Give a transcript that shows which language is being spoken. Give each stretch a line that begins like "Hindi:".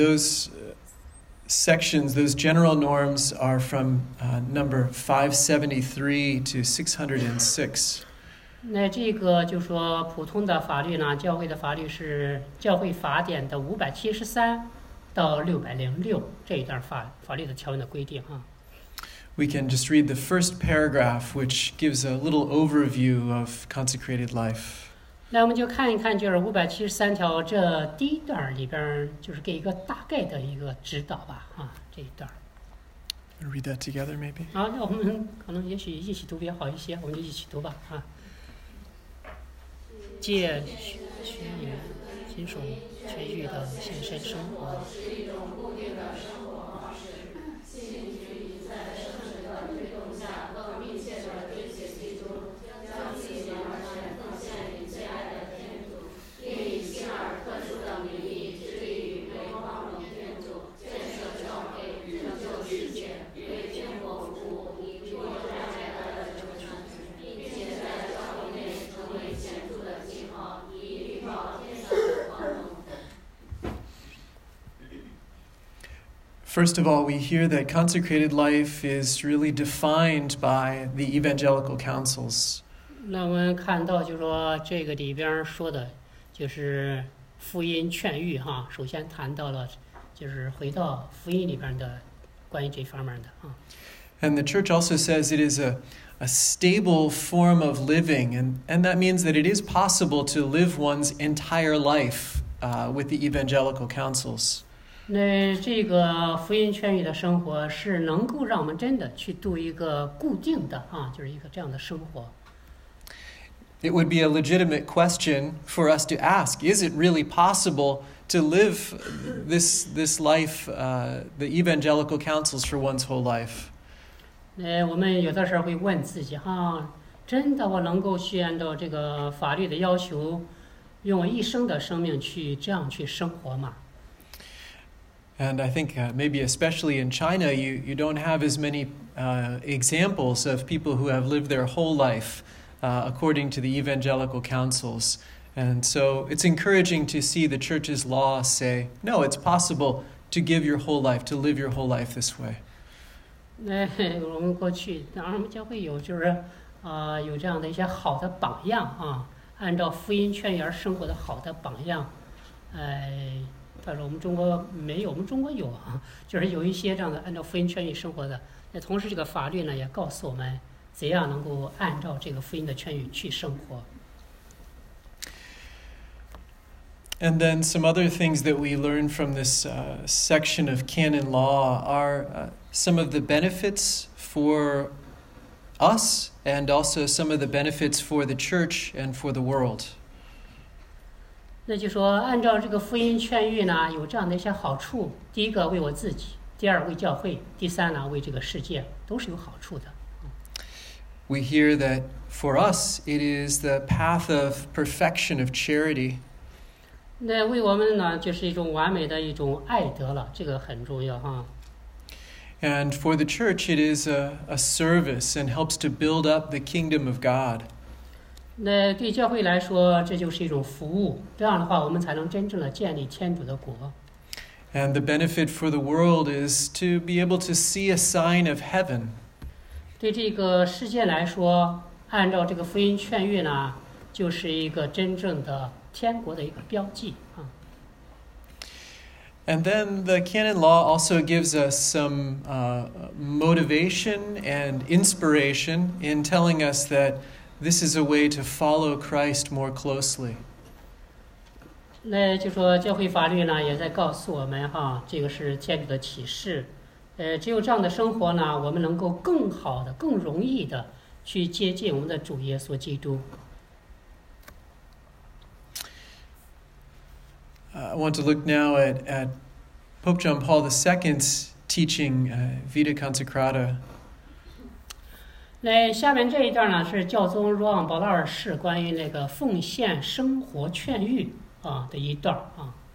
English: those sections, those general norms, are from number 573 to 606.
Chinese: 那这个就说普通的法律呢，教会的法律是教会法典的573到606这一段法律的条文的规定啊。
English: We can just read the first paragraph, which gives a little overview of consecrated life.
Chinese: 那我们就看一看，就是573条这第一段里边，就是给一个大概的一个指导吧，这一段。
English: Read that together, maybe.
Chinese: 好，那我们可能也许一起读比较好一些，我们就一起读吧，借虚言，金属全域的现身生活。
English: First of all, we hear that consecrated life is really defined by the evangelical councils.
Chinese: 那我们看到就是说这个里边说的就是福音劝谕哈，首先谈到了就是回到福音里边的关于这方面的啊。
English: And the church also says it is a stable form of living, and that means that it is possible to live one's entire life with the evangelical councils.
Chinese: 那这个福音劝谕的生活是能够让我们真的去度一个固定的啊，就是一个这样的生活。
English: It would be a legitimate question for us to ask: Is it really possible to live this life, the evangelical councils for one's whole life?
Chinese: 那我们有的时候会问自己哈，真的我能够去按照这个法律的要求，用我一生的生命去这样去生活吗？
English: And I think maybe especially in China, you don't have as many examples of people who have lived their whole life according to the evangelical councils. And so it's encouraging to see the church's law say, no, it's possible to give your whole life, to live your whole life this way.
Chinese: 那我们过去当然教会有就是有这样的一些好的榜样啊，按照福音劝谕而生活的好的榜样，但是我们中国没有，我们中国有啊，就是有一些这样的按照福音劝谕生活的。那同时，这个法律呢也告诉我们怎样能够按照这个福音的劝谕去生活。
English: And then some other things that we learn from this section of canon law are some of the benefits for us, and also some of the benefits for the church and for the world.
Chinese: 那就说按照这个福音劝谕呢，有这样的一些好处，第一个为我自己，第二为教会，第三呢为这个世界，都是有好处的。
English: We hear that for us it is the path of perfection of charity.
Chinese: 那为我们呢就是一种完美的一种爱德了，这个很重要哈。
English: And for the church it is a service and helps to build up the kingdom of God.
Chinese: 那对教会来说，这就是一种服务。这样的话，我们才能真正的建立天主的国。
English: And the benefit for the world is to be able to see a sign of heaven.
Chinese: 对这个世界来说，按照这个福音劝谕呢，就是一个真正的天国的一个标记啊。
English: And then the canon law also gives us some motivation and inspiration in telling us that. This is a way to follow Christ more closely.
Chinese: 那就说教会法律呢，也在告诉我们哈，这个是天主的启示。只有这样的生活呢，我们能够更好的、更容易的去接近我们的主耶稣基督。
English: I want to look now at Pope John Paul II's teaching, Vita Consecrata.
Chinese: 那下面这一段呢，是教宗若望保罗二世关于那个奉献生活劝谕啊的一段啊。